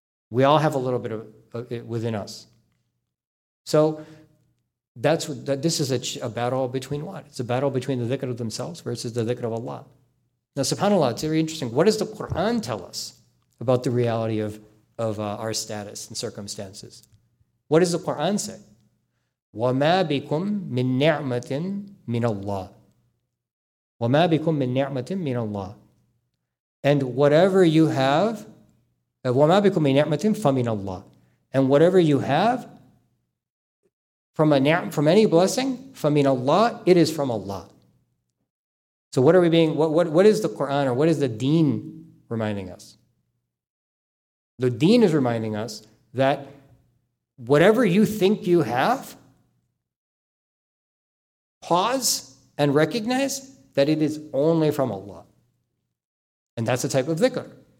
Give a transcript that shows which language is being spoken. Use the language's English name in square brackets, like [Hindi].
[English] We all have a little bit of it within us. So this is a battle between what? It's a battle between the dhikr of themselves versus the dhikr of Allah. Now, subhanAllah, it's very interesting. What does the Quran tell us about the reality of our status and circumstances? What does the Quran say? [Arabic] وَمَا بِكُم مِّن نِعْمَةٍ مِّنَ اللَّهِ وَمَا بِكُم مِّن نِعْمَةٍ مِّنَ اللَّهِ [English] And whatever you have, [Arabic] وَمَا بِكُم مِّن نِعْمَةٍ فَمِنَ اللَّهِ [English] And whatever you have from any blessing, [Arabic] فَمِنَ اللَّهِ, [English] it is from Allah. So what are we being, what is the Quran or what is the deen reminding us? The deen is reminding us that whatever you think you have, pause and recognize that it is only from Allah. And that's a type of dhikr.